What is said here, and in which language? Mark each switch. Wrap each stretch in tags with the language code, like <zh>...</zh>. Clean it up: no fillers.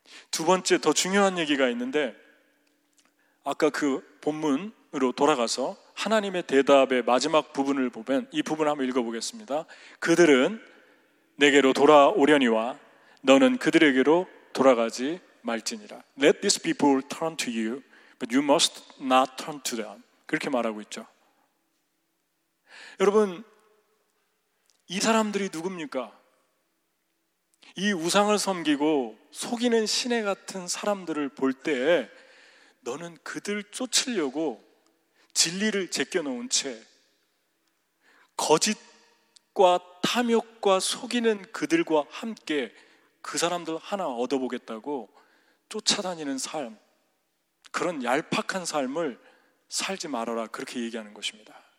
<ko>두 번째 더 중요한 얘기가 있는데 아까 그 본문으로 돌아가서 하나님의 대답의 마지막 부분을 보면 이 부분 한번 읽어보겠습니다. 그들은 내게로 돌아오려니와 너는 그들에게로 돌아가지 말지니라.</ko> <en>Let these people turn to you, but you must not turn to them.</en> <ko>그렇게 말하고 있죠. 여러분, 이 사람들이 누굽니까? 이 우상을 섬기고 속이는 신의 같은 사람들을 볼 때 너는 그들 쫓으려고 진리를 제껴놓은 채 거짓과 탐욕과 속이는 그들과 함께 그 사람들 하나 얻어보겠다고 쫓아다니는 삶, 그런 얄팍한 삶을 살지 말아라 그렇게 얘기하는 것입니다.</ko>